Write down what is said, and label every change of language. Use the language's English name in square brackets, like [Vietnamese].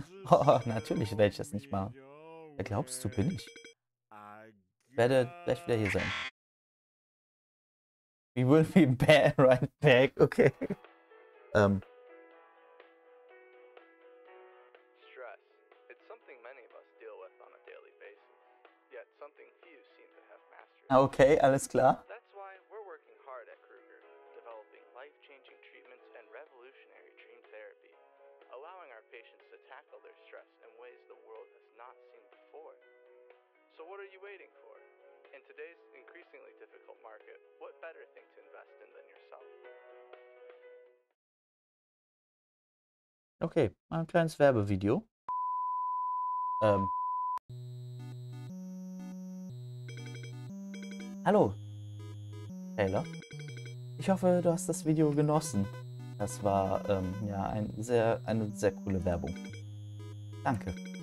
[German] Oh, natürlich werde ich das nicht machen. Wer glaubst du, bin ich? Ich werde gleich wieder hier sein. [English] We will be back, right back, okay. Stress. It's something many of us deal with on a daily basis. Yet something few seem to have mastered. [German] Okay, alles klar. [English] That's why we're working hard at Kruger, developing life-changing treatments and revolutionary dream therapy, allowing our patients to tackle their stress in ways the world has not seen before. So what are you waiting for? In today's increasingly difficult market, what better thing to invest in than yourself? [German] Okay, mal ein kleines Werbevideo. Hallo, Taylor. Ich hoffe, du hast das Video genossen. Das war eine sehr coole Werbung. Danke.